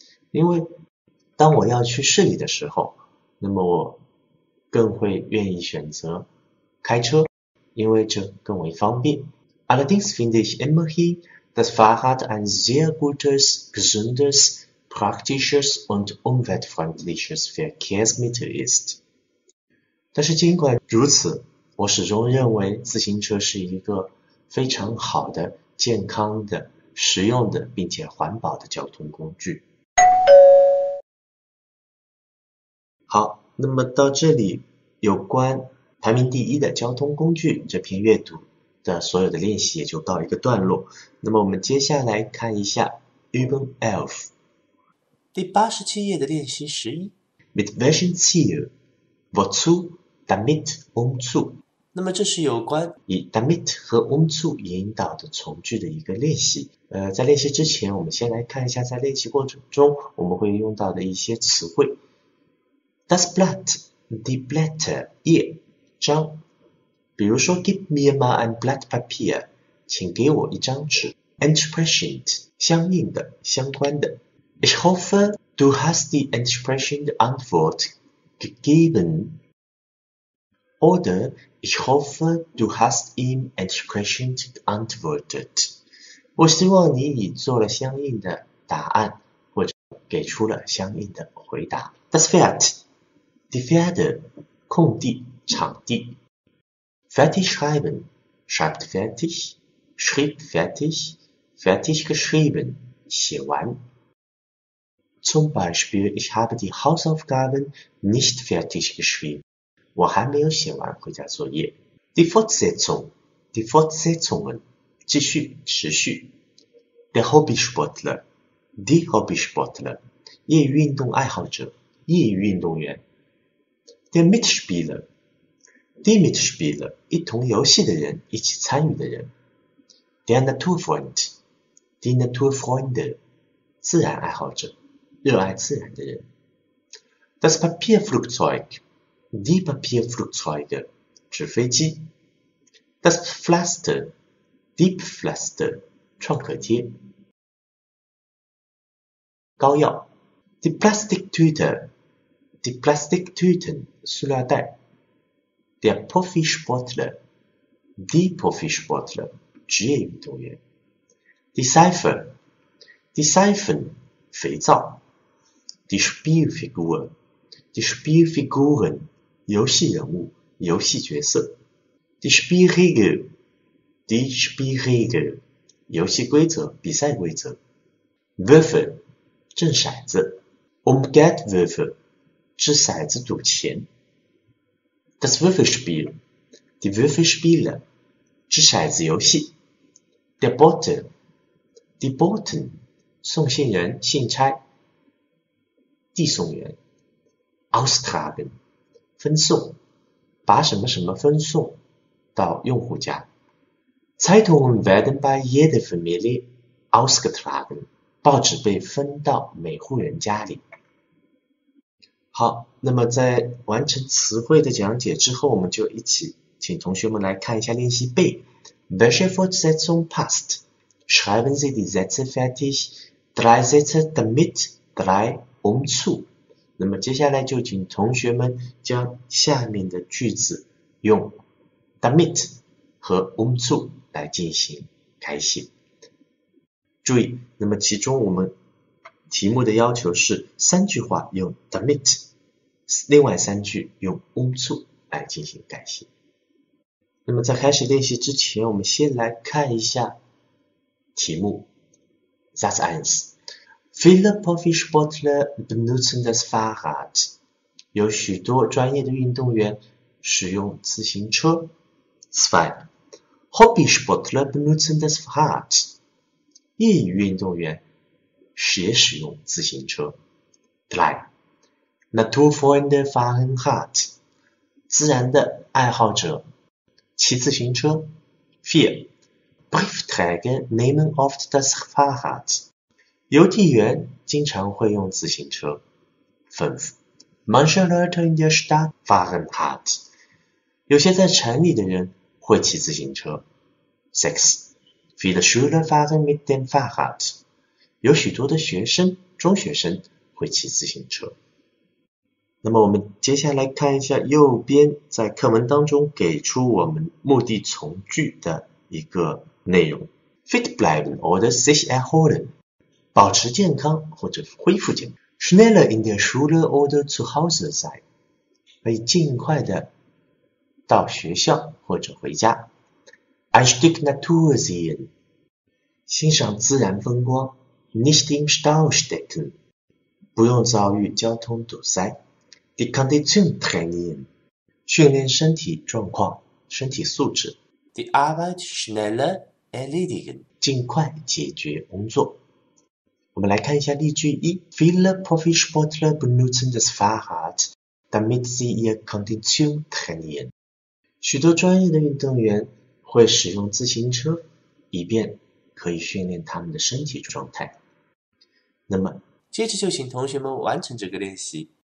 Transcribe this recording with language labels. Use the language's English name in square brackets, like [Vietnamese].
[Chinese] 因为当我要去市里的时候，那么我更会愿意选择开车，因为这更为方便。 [German] Allerdings finde ich immerhin Das Fahrrad ein sehr gutes, gesundes, praktisches und umweltfreundliches Verkehrsmittel ist. [Chinese] 但是尽管如此，我始终认为自行车是一个非常好的、健康的、实用的，并且环保的交通工具。好，那么到这里，有关排名第一的交通工具这篇阅读。的所有的练习也就告一个段落。那么我们接下来看一下 [German] Übung elf。 [Chinese] 第87页的练习11。 [German] Mit welchem Ziel? Wozu? Damit? Um zu? [Chinese] 那么这是有关以 damit 和 um zu 引导的从句的一个练习。在练习之前，我们先来看一下在练习过程中我们会用到的一些词汇。 [German] Das Blatt, die Blätter, [Chinese] 叶，章。 [German] 比如说， [English] Give me [German] mal ein Blatt Papier， [Chinese] 请给我一张纸。 Entsprechend，相应的、相关的。 [German] Ich hoffe, du hast die entsprechende Antwort gegeben. Oder ich hoffe, du hast ihm entsprechend antwortet. [Chinese] 我希望你已做了相应的答案，或者给出了相应的回答。 [German] Das Feld, die Pferde， [Chinese] 空地、场地。 [German] Fertig schreiben, schreibt fertig, schrieb fertig, fertig geschrieben, [Chinese] 写完。 [German] Zum Beispiel, ich habe die Hausaufgaben nicht fertig geschrieben, [Chinese] 我还没有写完回家作业。 [German] Die Fortsetzung, die Fortsetzungen, [Chinese] 继续，持续。 [German] Der Hobbysportler, die Hobbysportler, [Chinese] 业余运动爱好者，业余运动员。 [German] Der Mitspieler, Die Mitspieler, [Chinese] 一同游戏的人，一起参与的人。 [German] Der Naturfreund, die Naturfreunde, [Chinese] 自然爱好者，热爱自然的人。 [German] Das Papierflugzeug, die Papierflugzeuge, [Chinese] 纸飞机。 [German] Das Pflaster, die Pflaster, [Chinese] 创可贴。膏药。 [German] Die Plastiktüte, die Plastiktüten, [Chinese] 塑料袋。 [German] Der Profisportler, die Profisportler, [Chinese] 职业运动员。 [German] Die Seife, die Seifen, [Chinese] 肥皂。 [German] Die Spielfigur, die Spielfiguren, [Chinese] 游戏人物、游戏角色。 [German] Die Spielregel, die Spielregel, [Chinese] 游戏规则、比赛规则。 [German] Würfel, [Chinese] 掷骰子。 [German] Um Geldwürfel, [Chinese] 掷骰子赌钱。 [German] Das Würfelspiel, die Würfelspiele, [Chinese] 掷骰子游戏。 [German] Der Bote, die Boten, [Chinese] 送信人、信差、递送员。 [German] Austragen, [Chinese] 分送。把什么什么分送到用户家。 [German] Zeitungen werden bei jeder Familie ausgetragen， [Chinese] 报纸被分到每户人家里。好，那么在完成词汇的讲解之后，我们就一起请同学们来看一下练习背。 [German] Welche Fortsetzung passt? Schreiben Sie die Sätze fertig. Drei Sätze damit, drei um zu. [Chinese] 那么接下来就请同学们将下面的句子用 damit 和 um zu 来进行开始。注意，那么其中我们题目的要求是三句话用 damit。另外三句用 um zu 来进行改写。那么在开始练习之前，我们先来看一下题目。 [German] Satz 1. Viele Profisportler benutzen das Fahrrad. [Chinese] 有许多专业的运动员使用自行车。 [German] 2. Hobbysportler benutzen das Fahrrad. [Chinese] 业余运动员也使用自行车。3. [German] Naturfreunde fahren Rad， [Chinese] 自然的爱好者骑自行车。 [German] 4. Briefträger nehmen oft das Fahrrad， [Chinese] 邮递员经常会用自行车。 [German] 5. Manche Leute in der Stadt fahren Rad， [Chinese] 有些在城里的人会骑自行车。 [German] 6. Viele Schüler fahren mit dem Fahrrad， [Chinese] 有许多的学生，中学生会骑自行车。那么我们接下来看一下右边在课文当中给出我们目的从句的一个内容： [German] fit bleiben oder sich erholen， [Chinese] 保持健康或者恢复健康； [German] schneller in der Schule oder zu Hause sein， [Chinese] 可以尽快的到学校或者回家； [German] ein Stück Natur sehen， [Chinese] 欣赏自然风光； [German] nicht im Stau stecken， [Chinese] 不用遭遇交通堵塞。 [German] Die Kondition trainieren， [Chinese] 训练身体状况、身体素质。 [German] Die Arbeit schneller erledigen， [Chinese] 尽快解决工作。我们来看一下例句一： [German] Viele Profisportler benutzen das Fahrrad, damit sie ihre Kondition trainieren。 [Chinese] 许多专业的运动员会使用自行车，以便可以训练他们的身体状态。那么，接着就请同学们完成这个练习。